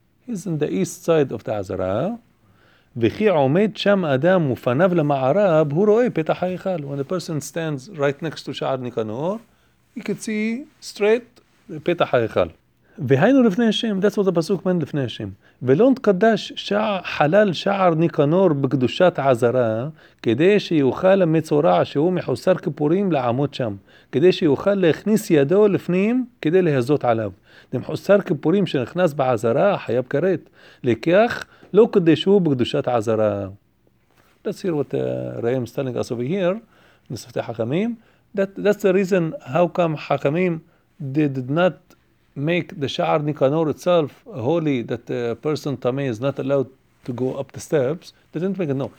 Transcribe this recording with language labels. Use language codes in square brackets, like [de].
[en] He's in the east side of the Azara. [he] V'chi omed sham adam ufanav lama'arab, hu ro'e petah ha'ichal. [en] When the person stands right next to Sha'ar Nikanor, you could see straight petah ha'ichal. [he] והיינו לפני השם, [en] that's what the pasuk meant לפני השם. [he] ולא נתקדש חלל שער ניקנור בקדושת עזרה, כדי שיוכל המצורע שהוא מחוסר כיפורים לעמוד שם, כדי שיוכל להכניס ידו לפנים כדי להזות עליו. למחוסר כיפורים שנכנס בעזרה, חייב קראת. לכך, לא קדשו בקדושת עזרה. [en] Let's hear what Raim is telling us over here, [he] נספתי חכמים. [en] That's the reason how come חכמים did not make the Sha'ar Nikanor itself holy, that the person Tameh is not allowed to go up the steps. They didn't make it, no.